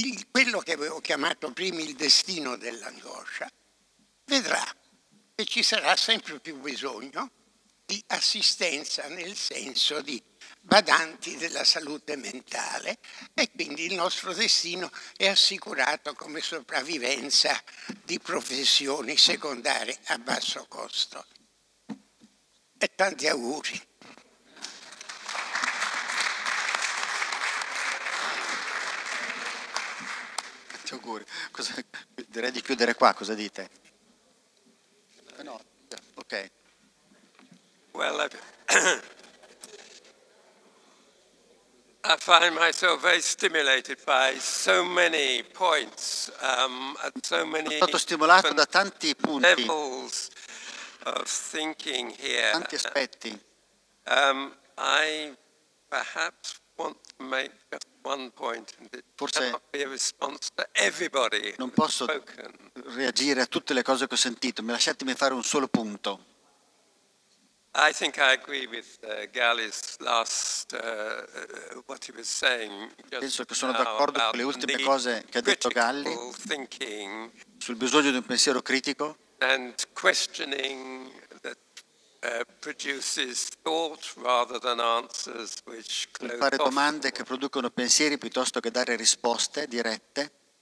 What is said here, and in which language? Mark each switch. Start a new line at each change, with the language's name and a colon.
Italian: Quello che avevo chiamato prima il destino dell'angoscia, vedrà che ci sarà sempre più bisogno di assistenza nel senso di badanti della salute mentale, e quindi il nostro destino è assicurato come sopravvivenza di professioni secondarie a basso costo. E tanti auguri. tanti auguri. Cosa, direi di chiudere qua, cosa dite? No, ok.
English: Well, I find myself very stimulated by so many points, at so many
Italian: sono stato stimolato da tanti punti.
English: Levels of thinking here.
Italian: Tanti aspetti.
English: I perhaps want to make just one point and it
Italian: forse
English: cannot be a response to everybody.
Italian: Non posso reagire a tutte le cose che ho sentito, ma lasciatemi fare un solo punto.
English: I think I agree with Gallis last what he was saying.
Italian: Penso che sono d'accordo con le ultime cose che ha detto Galli sul bisogno di un pensiero critico
English: and questioning that produces thought rather than answers which
Italian: fare domande che producono pensieri piuttosto che dare risposte dirette.